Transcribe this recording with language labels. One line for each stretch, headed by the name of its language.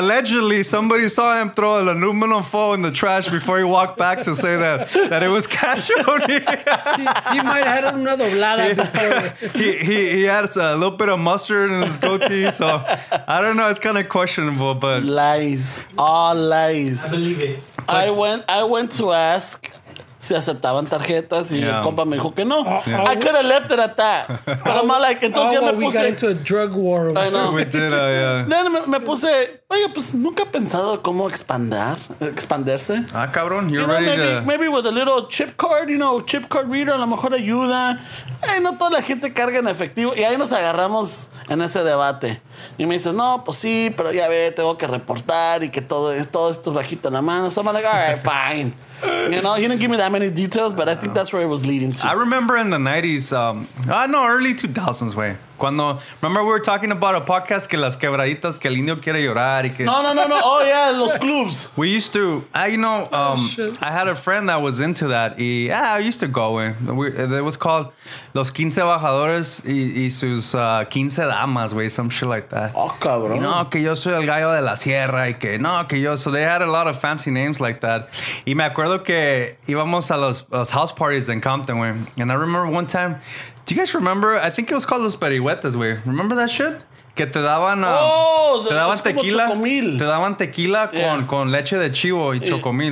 English: Allegedly, somebody saw him throw an aluminum foil in the trash before he walked back to say that it was cash only. He might have had another blada before. He had a little bit of mustard in his goatee, so I don't know. It's kind of questionable, but lies, all lies. I believe it. I went to ask
Spanish: si aceptaban tarjetas, y el compa me dijo que no.
English: I could have left it at that. But I'm not like,
Spanish: entonces ya me puse.
English: We got into a drug war. I know. We did,
Spanish: Then me puse, oye, pues nunca he pensado cómo expanderse.
English: Ah, cabrón, you're you know, ready maybe with a little chip card, you know, chip card reader,
Spanish: a lo mejor ayuda. Ay, no toda la gente carga en efectivo. Y ahí nos agarramos en ese debate. Y me dices, no, pues sí, pero ya ve, tengo que reportar y que todo esto bajito en la mano.
English: So I'm like, all right, fine. You know, he didn't give me that many details, but I think that's where it was leading to. I remember in the 90s, early 2000s, way.
Spanish: Cuando,
English: remember we were talking about a podcast,
Spanish: que las quebraditas, que el indio quiere llorar. Y que
English: No. Oh, yeah, los clubs. We used to, I had a friend that was into that. Yeah, I used to go in. It was called Los 15 Bajadores y sus 15 Damas, way, some shit like that.
Spanish: Oh, cabrón. Y no, que yo soy el gallo de la sierra. Y que no, que yo.
English: So they had a lot of fancy names like that.
Spanish: Y me acuerdo que íbamos a los
English: house parties in Compton, way. And I remember one time. Do you guys remember? I think it was called Los Perihuetes, güey. Remember that shit?
Spanish: Que te daban te daban tequila. Chocomil. Te daban tequila con leche de chivo y chocomil.